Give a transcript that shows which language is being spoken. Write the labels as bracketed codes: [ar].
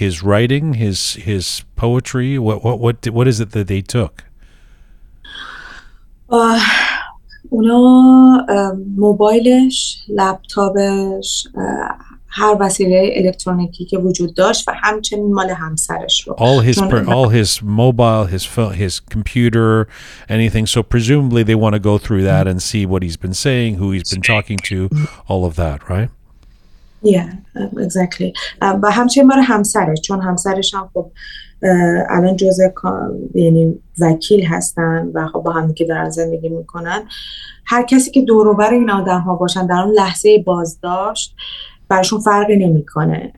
[en] His writing, his poetry, what is it that they took? [fa] اونا موبایلش، لپتاپش، هر وسیله الکترونیکی که وجود داشت و همچنین مال همسرش رو. [en] All his mobile, his computer, anything. So presumably they want to go through that and see what he's been saying, who he's been talking to, all of that, right? Yeah, exactly. [fa] و همچنین مال همسرش، چون همسرش هم خب الان جزء یعنی وکیل هستن و خب با هم که دارن زندگی میکنن. هر کسی که دور و بر این آدم ها باشن در اون لحظه بازداشت برشون فرقی نمیکنه.